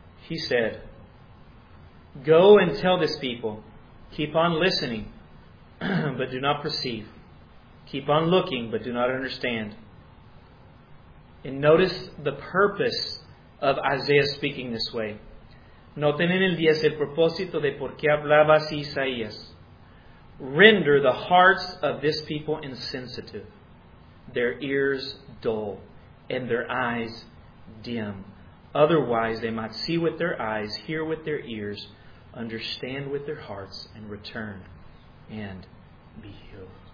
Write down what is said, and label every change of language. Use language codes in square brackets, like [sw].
[en] He said, go and tell this people, keep on listening, but do not perceive. Keep on looking, but do not understand. And notice the purpose of Isaiah speaking this way. [es] Noten en el 10 el propósito de por qué hablaba así Isaías. [en] Render the hearts of this people insensitive, their ears dull, and their eyes dim. Otherwise, they might see with their eyes, hear with their ears, understand with their hearts, and return and be healed.